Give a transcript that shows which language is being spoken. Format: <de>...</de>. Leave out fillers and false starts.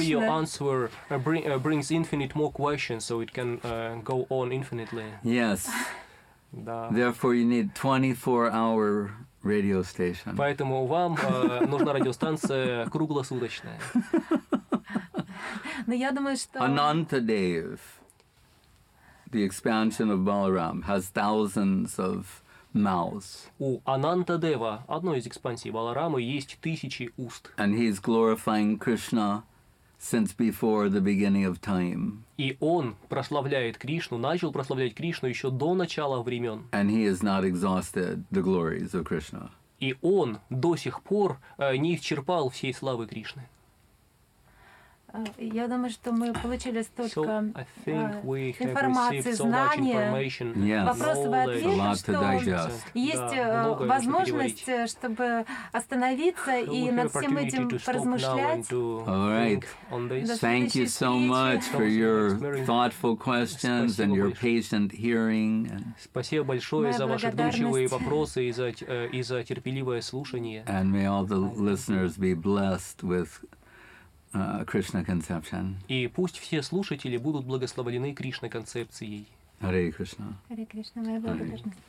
<en>Every your answer brings infinite more questions, so it can go on infinitely. Yes.</en> <ru>Да.</ru> <en>Therefore, you need 24-hour radio station.</en> <ru>Поэтому вам нужна радиостанция круглосуточная. Но я думаю, что</ru> <en>Anantadev, the expansion of Balaram, has thousands of mouths.</en> <ru>У Анантадева, одной из экспансий Баларамы, есть тысячи уст.</ru> <en>And he's glorifying Krishna since before the beginning of time.</en> <ru>И он прославляет Кришну, начал прославлять Кришну еще до начала времен.</ru> <en>And he has not exhausted the glories of Krishna.</en> <ru>И он до сих пор не исчерпал всей славы Кришны. Я думаю, что мы получили столько информации, знания, вопросов и ответов, что есть возможность, чтобы остановиться и над всем этим поразмышлять.</ru> <en>All right. Thank you so much for your thoughtful questions and your patient hearing.</en> <ru>Спасибо большое за ваши вдумчивые вопросы и за терпеливое слушание.</ru> <en>And may all the listeners be blessed with Krishna conception.</en> <ru>И пусть все слушатели будут благословлены Кришна концепцией.</ru> <en>Hare Krishna.</en> <ru>Hare Krishna, моя благодарность.</ru>